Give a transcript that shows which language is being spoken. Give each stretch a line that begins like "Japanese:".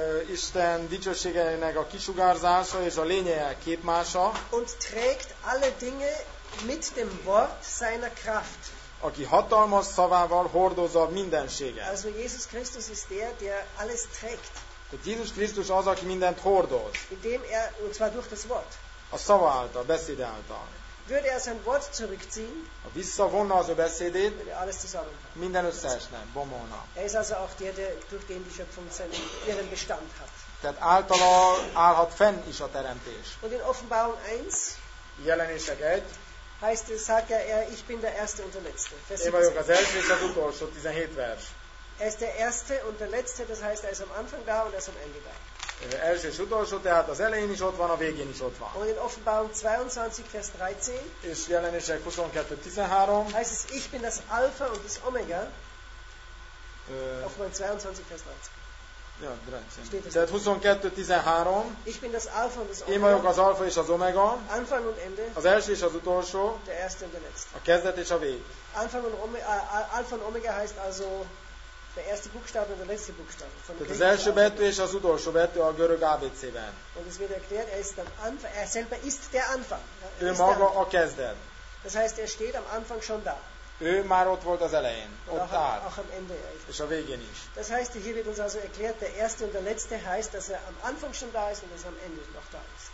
Hungarian: Isten dicsőségének a kisugárzása és a lényeje képmása.
German: Und trägt alle Dinge mit dem Wort seiner Kraft.
Hungarian: Aki hatalmas szavával hordozza mindenséget.
German: Also Jesus Christus ist der, der alles trägt.
Hungarian: Tehát Jézus Krisztus az, aki mindent hordoz.
German: Indem er, und zwar durch das Wort.
Hungarian: A szava által, beszéde által.
German: Würde er sein Wort zurückziehen,
Hungarian: ha visszavonna az ő beszédét,
German: alles
Hungarian: minden összeesne, bomolna.
German: Er ist also auch der, durch den die Schöpfung ihren Bestand hat.
Hungarian: Tehát általa állhat fenn is a teremtés.
German: Und in Offenbarung 1,
Hungarian: Jelenések 1,
German: heißt es, sagt er, ich bin der Erste und der Letzte.
Hungarian: Én vagyok az első és az utolsó, 17 vers.
German: Er ist der Erste und der Letzte, das heißt, er ist am Anfang da und er ist am Ende da.
Hungarian: Első és utolsó, tehát az elején is ott van, a végén is ott van.
German: Und in Offenbarung 22, Vers 13,
Hungarian: és Jelenések 22:13,
German: heißt es, ich bin das Alpha und das Omega. Offenbarung 22, Vers 13.
Hungarian: Ja, 13. Tehát 22:13,
German: ich bin das Alpha und das Omega.
Hungarian: Én vagyok az Alpha és az Omega.
German: Anfang und Ende.
Hungarian: Az első és az utolsó.
German: Der Erste und der Letzte.
Hungarian: A kezdet és a vég.
German: Anfang und Omega, Alpha und Omega heißt also der erste Buchstabe und der letzte Buchstabe.
Hungarian: Tehát az első betű és az utolsó betű a görög ABC-ben.
German: Und es wird erklärt, er ist am Anfang, er selber ist der Anfang.
Hungarian: Ő maga a kezdet.
German: Das heißt, er steht am Anfang schon da.
Hungarian: Ő már ott volt az elején, ott áll.
German: Auch am Ende.
Hungarian: És a végén is.
German: Das heißt, hier wird uns also erklärt, der erste und der letzte heißt, dass er am Anfang schon da ist und dass er am Ende noch da ist.